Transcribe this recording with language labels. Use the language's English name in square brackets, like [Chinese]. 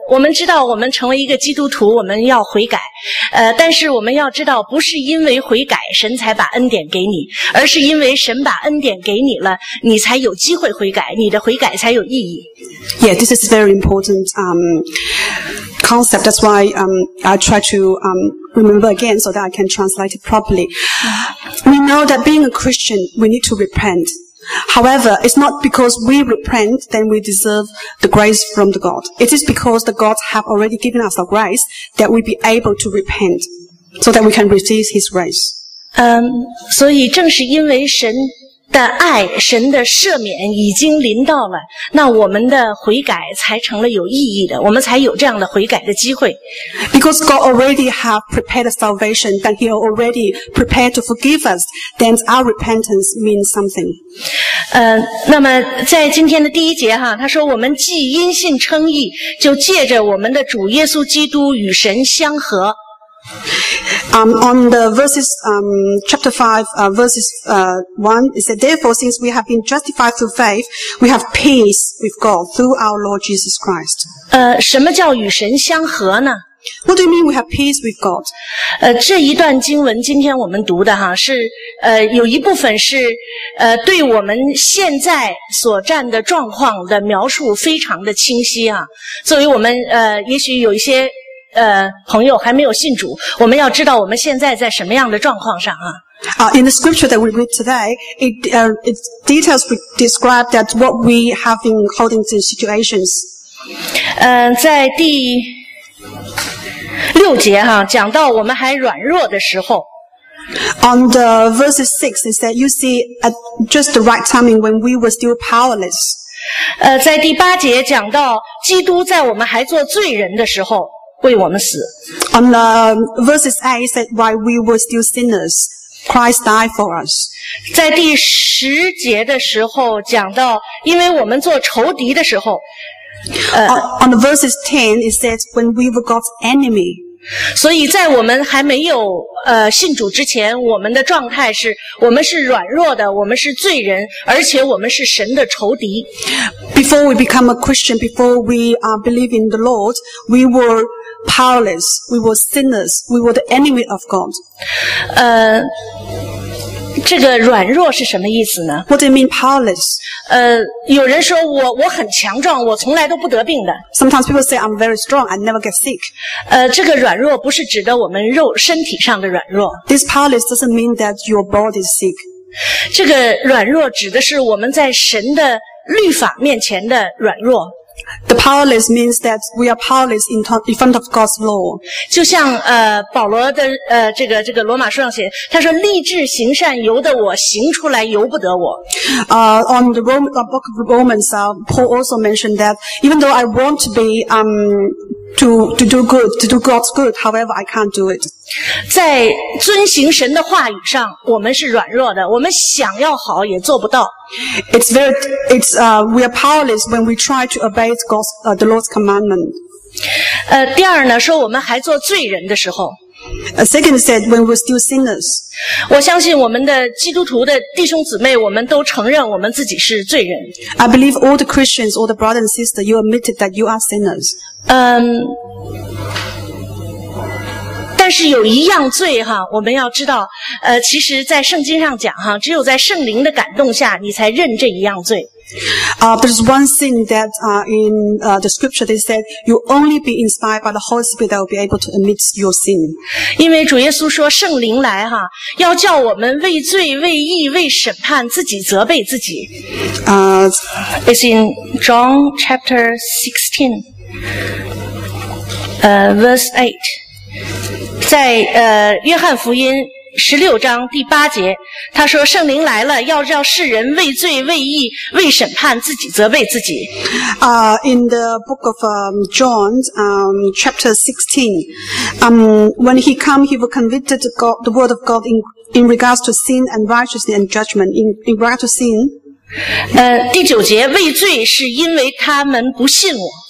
[Chinese] 我们知道我们成为一个基督徒，我们要悔改。但是我们要知道，不是因为悔改神才把恩典给你，而是因为神把恩典给你了，你才有机会悔改，你的悔改才有意义。 [English] Yeah, this is very important concept. That's why I try to remember again so that I can translate it properly. We know that being a Christian, we need to repent. However, it's not because we repent then we deserve the grace from the God. It is because the God have already given us the grace that we be able to repent so that we can receive his grace. [Chinese] 所以正是因为神的爱，神的赦免已经临到了，那我们的悔改才成了有意义的，我们才有这样的悔改的机会。 [English] Because God already have prepared salvation, that He already prepared to forgive us, then our repentance means something. [Chinese] 那么在今天的第一节哈，他说我们既因信称义，就借着我们的主耶稣基督与神相合。 [English] On the verses, chapter 5, verses 1, it said, Therefore, since we have been justified through faith, we have peace with God through our Lord Jesus Christ. [Chinese] 什么叫与神相合呢？ [English] What do you mean we have peace with God? [Chinese] 这一段经文今天我们读的哈是有一部分是对我们现在所站的状况的描述非常的清晰啊。作为我们也许有一些朋友还没有信主，我们要知道我们现在在什么样的状况上啊。 [English] In the scripture that we read today, it details describe that what we have been holding to situations. [Chinese] 在第六节哈，讲到我们还软弱的时候。 [English] On the verses 6, it said, you see, at just the right timing when we were still powerless. [Chinese] 在第八节讲到基督在我们还做罪人的时候。为我们死。 [English] On the verses 8 said, while we were still sinners, Christ died for us. [Chinese] 在第十节的时候讲到，因为我们做仇敌的时候。 [English] On the verses 10 it said, when we were God's enemy. [Chinese] 所以在我们还没有信主之前，我们的状态是，我们是软弱的，我们是罪人，而且我们是神的仇敌。 [English] Before we become a Christian, before we believe in the Lord, we were powerless, we were sinners, we were the enemy of God. [Chinese] 这个软弱是什么意思呢？ [English] What do you mean powerless? [Chinese] 有人说我很强壮，我从来都不得病的。 [English] Sometimes people say I'm very strong, I never get sick. [Chinese] 这个软弱不是指的我们肉身体上的软弱。 [English] This powerless doesn't mean that your body is sick. [Chinese] 这个软弱指的是我们在神的律法面前的软弱。 [English] The powerless means that we are powerless in front of God's law. [Chinese] 就像保罗的这个罗马书上写，他说立志行善由得我，行出来由不得我。 [English] On the book of Romans, Paul also mentioned that even though I want to be to do good, to do God's good, however I can't do it. [Chinese] 在遵行神的话语上，我们是软弱的，我们想要好也做不到。 [English] We are powerless when we try to obey God's, the Lord's commandment. [Chinese] 第二呢，说我们还做罪人的时候。 [English] Second is that when we're still sinners. [Chinese] 我相信我们的基督徒的弟兄姊妹，我们都承认我们自己是罪人。 [English] I believe all the Christians, all the brothers and sisters, you admitted that you are sinners. [Chinese] 但是有一样罪哈，我们要知道，其实在圣经上讲哈，只有在圣灵的感动下，你才认这一样罪。 [English] There's one thing that in the scripture they said you only be inspired by the Holy Spirit that will be able to admit your sin. [Chinese] 因为主耶稣说圣灵来哈，要叫我们为罪、为义、为审判自己责备自己。 [English] It's in John chapter 16, verse 8. [Chinese] 在约翰福音十六章第八节，他说：“圣灵来了，要叫世人为罪、为义、为审判自己，责备自己。” [English] In the book of John, chapter 16, when he come, he will convict the word of God in regards to sin and righteousness and judgment in regard to sin. [Chinese] 第九节，为罪是因为他们不信我。